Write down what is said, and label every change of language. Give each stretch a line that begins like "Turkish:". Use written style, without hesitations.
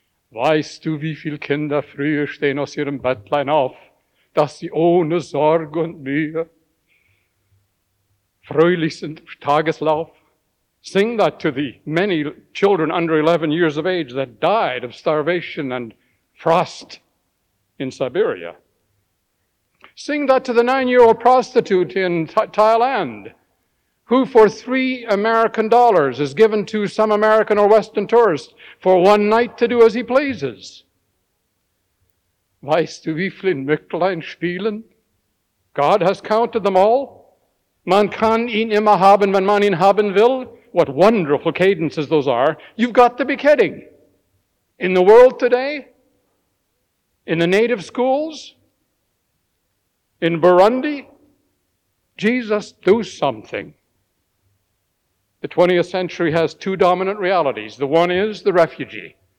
German: Weißt du, wie viel Kinder früher stehen aus ihrem Bettlein auf, dass sie ohne Sorg und Mühe fröhlich sind im Tageslauf?
English: Sing that to the many children under 11 years of age that died of starvation and frost in Siberia. Sing that to the 9-year-old prostitute in Thailand who for $3 American is given to some American or Western tourist for one night to do as he pleases.
German: Weißt du, wie viele Mücklein spielen?
English: God has counted them all.
German: Man kann ihn immer haben, wenn man ihn haben will.
English: What wonderful cadences those are. You've got to be kidding. In the world today, in the native schools, in Burundi, Jesus, do something. The 20th century has two dominant realities. The one is the refugee.